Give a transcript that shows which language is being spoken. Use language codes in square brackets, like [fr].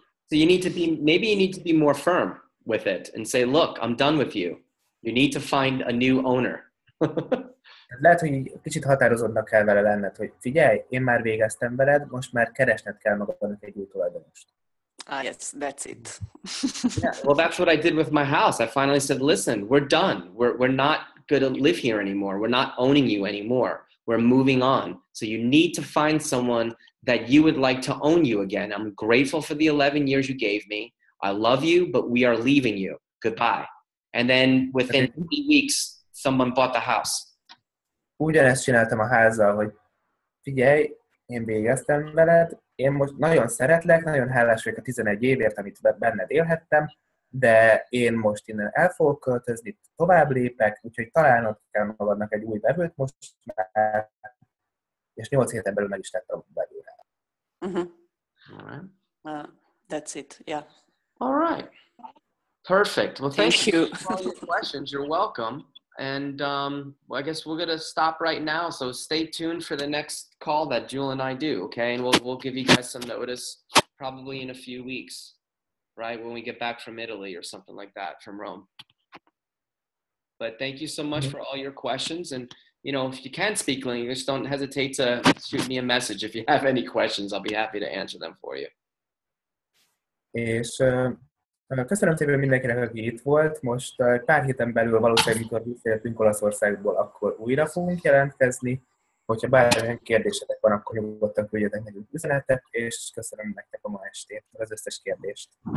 [en] So you need to be, maybe you need to be more firm with it and say, look, I'm done with you. You need to find a new owner. [hu] Lehet, hogy kicsit határozottnak kell vele lenned, hogy figyelj, én már végeztem veled, most már keresned kell magadnak egy új tulajdonost. [en] Ah, yes, that's it. Yeah, well, that's what I did with my house. I finally said, listen, we're done. We're not going to live here anymore. We're not owning you anymore. We're moving on. So you need to find someone that you would like to own you again. I'm grateful for the 11 years you gave me. I love you, but we are leaving you. Goodbye. And then within 3 weeks, someone bought the house. [hu] Ugyanezt csináltam a házzal, hogy figyelj, én végeztem veled, én most nagyon szeretlek, nagyon hálás vagyok a 11 évért, amit benned élhettem, de én most innen el fogok költözni, tovább lépek, úgyhogy találnod kell magadnak egy új vevőt most már, és 8 héten belül meg is tettem a vevőre. Mm-hmm. [en] All right. That's it, yeah. All right. Perfect. Well, thank you for all your questions. You're welcome. And well, I guess we're gonna stop right now. So stay tuned for the next call that Jule and I do. Okay, and we'll give you guys some notice probably in a few weeks, right? When we get back from Italy or something like that, from Rome. But thank you so much for all your questions. And you know, if you can't speak English, don't hesitate to shoot me a message if you have any questions. I'll be happy to answer them for you. Yes. [hu] Köszönöm szépen mindenkinek, aki itt volt. Most pár héten belül valószínűleg, amikor visszajöttünk Olaszországból, akkor újra fogunk jelentkezni. Hogyha bármilyen kérdésetek van, akkor nyugodtan küldjetek nekünk üzenetet, és köszönöm nektek a ma estét, az összes kérdést.